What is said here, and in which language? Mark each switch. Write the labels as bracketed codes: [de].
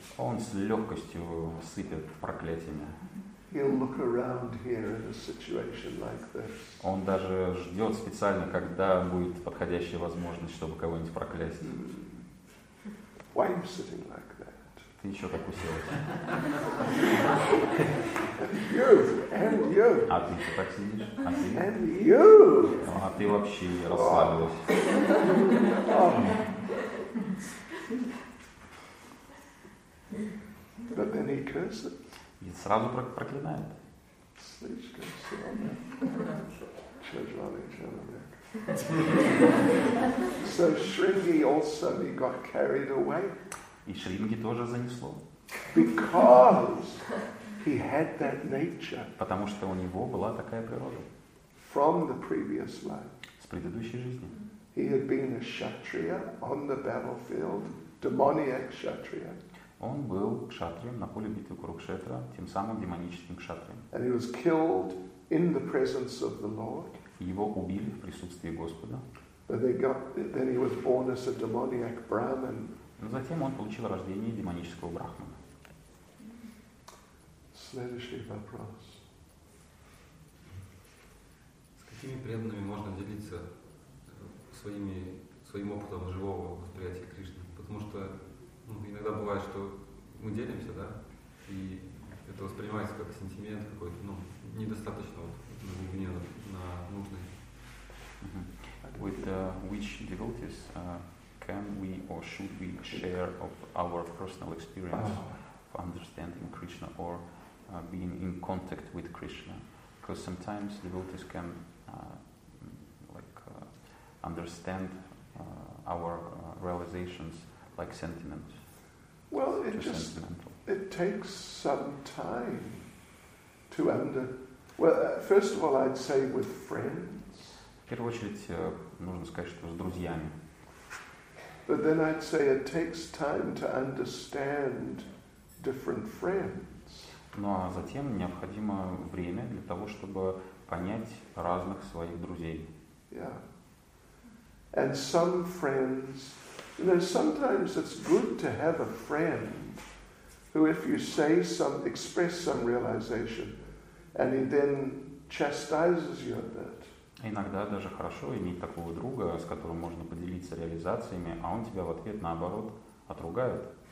[ru] Он с легкостью сыпет проклятиями. [en] He'll look around here in a situation like this. [ru] Он даже ждет специально, когда будет подходящая возможность, чтобы кого-нибудь проклясть. Mm. [en] Why are you sitting like that? [ru] Ты еще так уселся. [en] You and you. [ru] А ты еще так сидишь? А ты? [en] And you. [ru] А ты вообще расслабилась. Oh. [en] But then he curses. [ru] И сразу проклинает. Слишком сильно. Тяжелый человек. [en] So Sringi also he got carried away. [ru] И Шринги тоже занесло. [en] Because he had that nature. [ru] Потому что у него была такая природа. [en] From the previous life. [ru] С предыдущей жизни. [en] He had been a kshatriya on the battlefield, demoniac kshatriya. [ru] Он был кшатрием на поле битвы Курукшетра, тем самым демоническим кшатрием. [en] And he was killed in the presence of the Lord. [ru] Его убили в присутствии Господа. [en] Then he was born as a demoniac brahmin. [ru] Но затем он получил рождение демонического брахмана. Следующий вопрос. С какими преданными можно делиться своим опытом живого восприятия Кришны? Потому что иногда бывает, что мы делимся, да, и это воспринимается как сентимент какой-то, недостаточно на глубине, на нужной. [en] With which devotees can we or should we share of our personal experience of understanding Krishna or being in contact with Krishna? Because sometimes devotees can understand our realizations like sentiments. Well, it takes some time to first of all, I'd say with friends. [ru] В первую очередь, нужно сказать, что с друзьями. [en] But then I'd say it takes time to understand different friends. [ru] Ну, а затем необходимо время для того, чтобы понять разных своих друзей. [en] Yeah. And some friends, sometimes it's good to have a friend who, if you say express some realization, and he then chastises you a bit. [ru] Иногда даже хорошо иметь такого друга, с которым можно поделиться реализациями, а он тебя в ответ наоборот отругает.